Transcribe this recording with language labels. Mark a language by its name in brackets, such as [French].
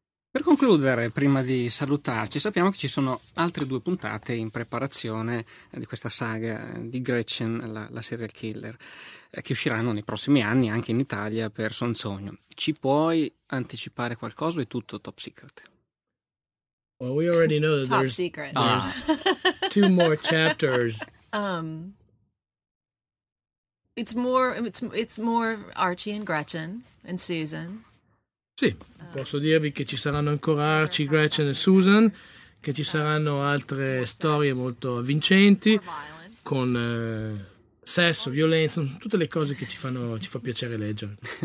[Italian] Per concludere, prima di salutarci, sappiamo che ci sono altre due puntate in preparazione di questa saga di Gretchen, la serial killer, che usciranno nei prossimi anni anche in Italia per Sonsogno. Ci puoi anticipare qualcosa o è tutto top secret? [English] Well, we already know that top secret. There's two more chapters. It's more Archie and Gretchen and Susan. [Italian] Sì, posso dirvi che ci saranno ancora Archie, Gretchen e Susan, che ci saranno altre storie molto avvincenti con sesso, violenza, tutte le cose che ci fa piacere leggere.